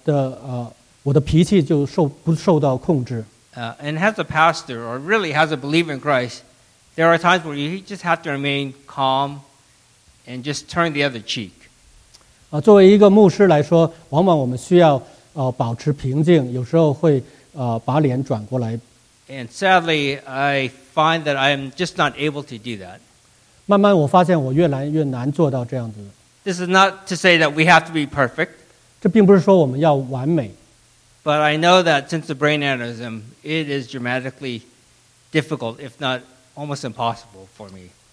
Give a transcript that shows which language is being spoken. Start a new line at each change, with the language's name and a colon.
Chinese: 那当我面对这些的压力跟困难的时候，很多时候我的脾气就受不受到控制。
English: And as a pastor, or really as a believer in Christ, there are times where you just have to remain calm and just turn the other cheek.
Chinese: 作为一个牧师来说，往往我们需要保持平静，有时候会把脸转过来。
English: And sadly, I find that I am just not able to do that.
Chinese: 慢慢我发现我越来越难做到这样子。
English: This is not to say that we have to be perfect.
Chinese: 这并不是说我们要完美。
English: But I know that since the brain aneurysm, it is dramatically difficult, if not almost impossible for me.